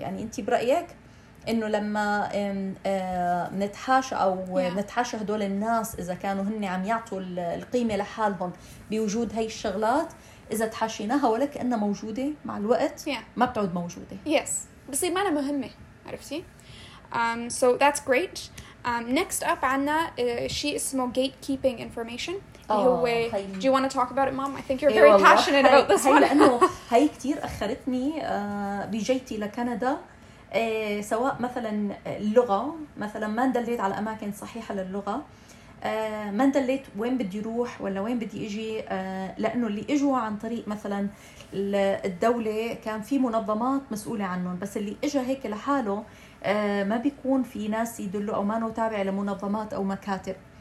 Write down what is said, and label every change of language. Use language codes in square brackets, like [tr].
[ar] يعني أنت برأيك أنه لما نتحاشى أو نتحاشى هدول الناس إذا كانوا هني عم يعطوا القيمة لحالهم بوجود هاي الشغلات إذا تحاشيناها ولا كأنها موجودة مع الوقت ما بتعود موجودة. Yes. بصير ما أنا مهمة. عرفتي؟ [en] So that's great. Next up [ar] عنا شيء اسمه [en] gatekeeping information. Do you want to talk about it, mom? I think you're very passionate about this one. [ar] لأنه هاي كتير أخرتني بجيتي لكندا. سواء مثلا اللغة مثلا ما ندليت على أماكن صحيحة للغة. ما دليت وين بدي روح ولا وين بدي اجي لانه اللي اجوا عن طريق مثلا الدولة كان في منظمات مسؤولة عنهم, بس اللي اجا هيك لحاله ما بيكون في ناس يدلوا او ما نو تابع لمنظمات او مكاتب.